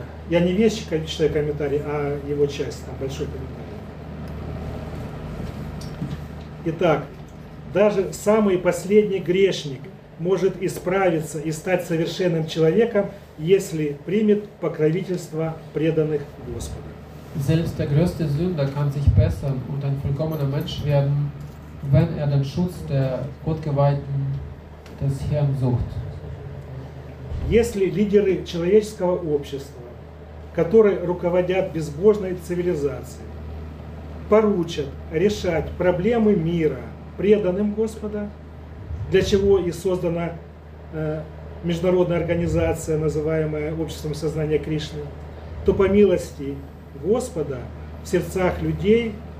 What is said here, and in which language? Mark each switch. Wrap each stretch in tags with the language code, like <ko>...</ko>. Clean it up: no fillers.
<ru>Я не весь читаю комментарий, а его часть, там большой комментарий. Итак. Даже самый последний грешник может исправиться и стать совершенным человеком, если примет покровительство преданных Господа.</ru> <de>Selbst der größte Sünder kann sich bessern und ein vollkommener Mensch werden, wenn den Schutz der Gottgeweihten des Herrn sucht.</de> <ru>Если лидеры человеческого общества, которые руководят безбожной цивилизацией, поручат решать проблемы мира преданным Господа, для чего и создана международная организация, называемая Обществом Сознания Кришны, то по милости Господа в сердцах людей</ru>